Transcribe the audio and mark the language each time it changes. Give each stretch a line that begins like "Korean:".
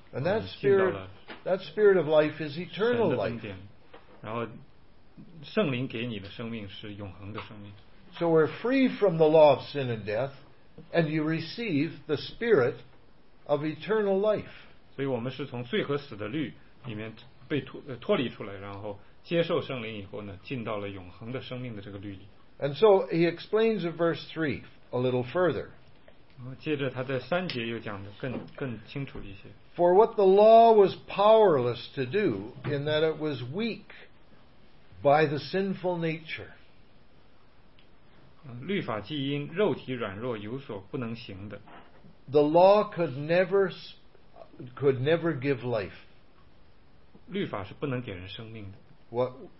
English: And that spirit of life is eternal life.
Chinese: 然后圣灵给你的生命是永恒的生命。
English: So we're free from the law of sin and death, and you receive the spirit of eternal life.
Chinese: 所以我们是从罪和死的律里面被脱离出来，然后接受圣灵以后呢，进到了永恒的生命的这个律里。
English: And so he explains in verse 3 a little further.
Chinese: 接着他在三节又讲得更清楚一些。
English: For what the law was powerless to do in that it was weak by the sinful nature.
Chinese: 律法既因肉体软弱有所不能行的。
English: The law could never give life.
Chinese: 律法是不能给人生命的。